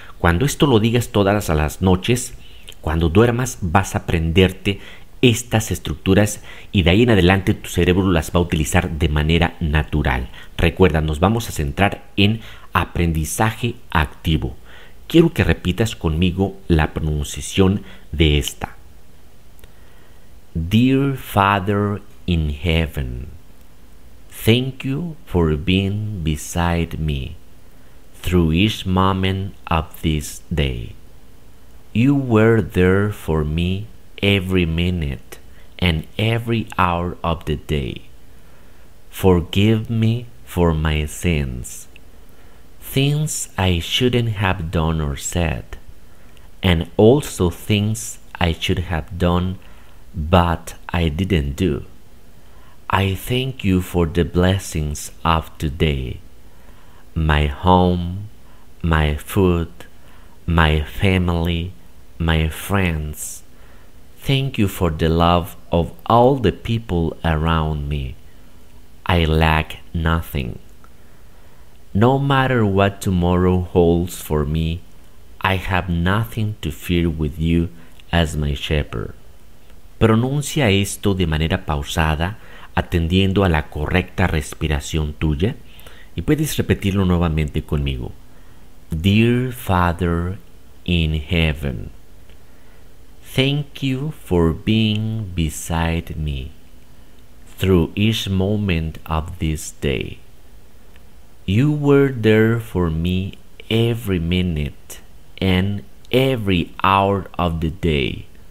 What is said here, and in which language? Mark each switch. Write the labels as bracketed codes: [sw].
[es] Cuando esto lo digas todas las noches, cuando duermas, vas a aprenderte estas estructuras y de ahí en adelante tu cerebro las va a utilizar de manera natural. Recuerda, nos vamos a centrar en aprendizaje activo. Quiero que repitas conmigo la pronunciación de esta. [en] Dear Father in heaven, thank you for being beside me through each moment of this day. You were there for me every minute and every hour of the day. Forgive me for my sins, things I shouldn't have done or said, and also things I should have done but I didn't do. I thank you for the blessings of today, my home, my food, my family, my friends. Thank you for the love of all the people around me. I lack nothing. No matter what tomorrow holds for me, I have nothing to fear with you as my shepherd. [es] Pronuncia esto de manera pausada, atendiendo a la correcta respiración tuya, y puedes repetirlo nuevamente conmigo. [en] Dear Father in heaven, thank you for being beside me through each moment of this day. You were there for me every minute and every hour of the day.